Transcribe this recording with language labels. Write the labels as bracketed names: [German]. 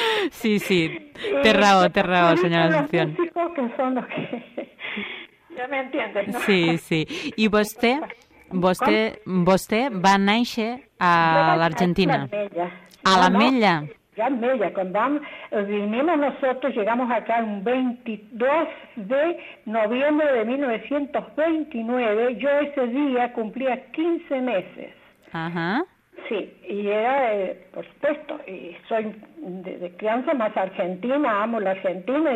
[Spanish] Sí, sí, terrao, señora Asunción. Los músicos que son los que... ¿Ya me entiendes, no? Sí, sí. [Catalan] ¿Y vostè va néixer a l'Argentina? A la Mella. [Spanish] Ya en Mella, cuando vinimos nosotros, llegamos acá un 22 de noviembre de 1929, yo ese día cumplía 15 meses. Ajá. Sí, y era, por supuesto, y soy de crianza más argentina, amo la Argentina.